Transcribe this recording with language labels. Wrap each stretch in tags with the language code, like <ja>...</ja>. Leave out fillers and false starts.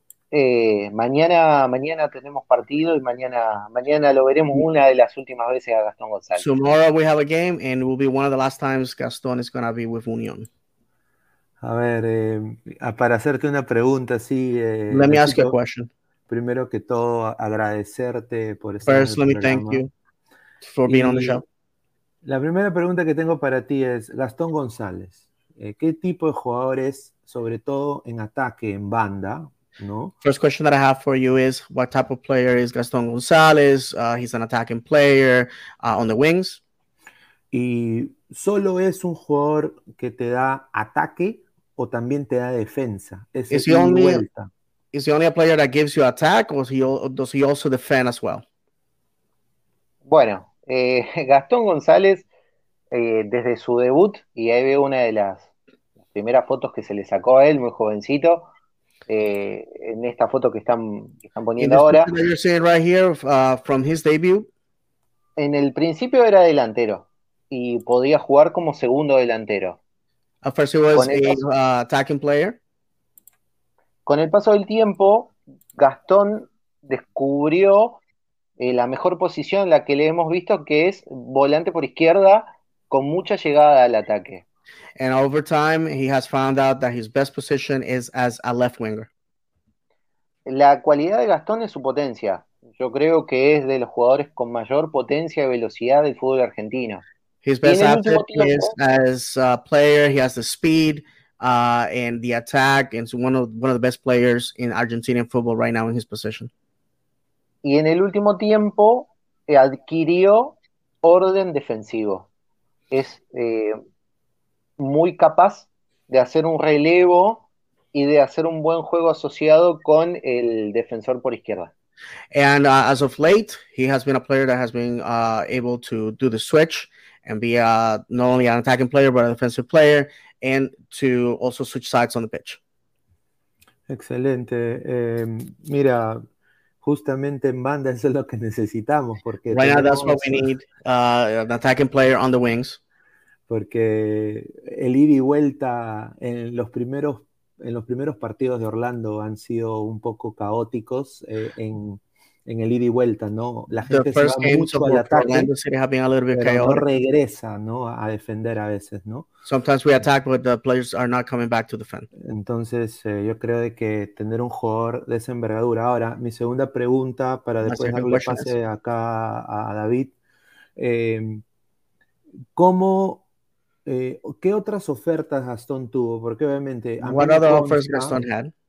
<es>Mañana tenemos partido y mañana lo veremos una de las últimas veces a Gastón González.</es> <en>Tomorrow we have a game and it will be one of the last times Gastón is going to be with Union.</en> <es>A ver, para hacerte una pregunta, sí.</es> <en>Let me ask you a question.</en> <es>Primero que todo, agradecerte por estar</es> <en>First,</en> <es>en el programa.</es> <en>First, let me thank you for being on the show.</en> <es>La primera pregunta que tengo para ti es, Gastón González, ¿qué tipo de jugador es, sobre todo en ataque, en banda? No.</es> <en>First question that I have for you is, what type of player is Gastón González? He's an attacking player on the wings.</en> <es>¿Y solo es un jugador que te da ataque o también te da defensa?</es> <en>Is he only a player that gives you attack or does he also defend as well?</en> <es>Bueno, Gastón González, desde su debut, y ahí veo una de las primeras fotos que se le sacó a él, muy jovencito, en esta foto que están poniendo ahora.</es> <en>You're saying right here, from his debut.</en> <es>En el principio era delantero y podía jugar como segundo delantero.</es> <en>At first he was a attacking player.</en> <es>Con el paso del tiempo, Gastón descubrió la mejor posición en la que le hemos visto, que es volante por izquierda con mucha llegada al ataque.</es> <en>And over time, he has found out that his best position is as a left winger.</en> <es>La cualidad de Gastón es su potencia. Yo creo que es de los jugadores con mayor potencia y velocidad del fútbol argentino.</es> <en>His best asset is as a player. He has the speed and the attack. And he's one of the best players in Argentinian football right now in his position.</en> <es>Y en el último tiempo adquirió orden defensivo. Es muy capaz de hacer un relevo y de hacer un buen juego asociado con el defensor por izquierda.</es> <en>And as of late, he has been a player that has been able to do the switch and be not only an attacking player, but a defensive player, and to also switch sides on the pitch.</en> <es>Excelente. Mira, justamente en banda eso es lo que necesitamos. Porque</es> <en>right now, that's what we need, an attacking player on the wings.</en> <es>Porque el ida y vuelta en los primeros partidos de Orlando han sido un poco caóticos en el ida y vuelta, ¿no? La gente se va mucho al ataque, pero no regresa, ¿no? A defender a veces, ¿no?</es> <en>Sometimes we attack, but the players are not coming back to defend.</en> <es>Entonces, yo creo de que tener un jugador de esa envergadura. Ahora, mi segunda pregunta para después darle pase acá a David. ¿Cómo ¿qué otras ofertas Gastón tuvo? Porque obviamente</es> <en>what other offers Gastón had?</en>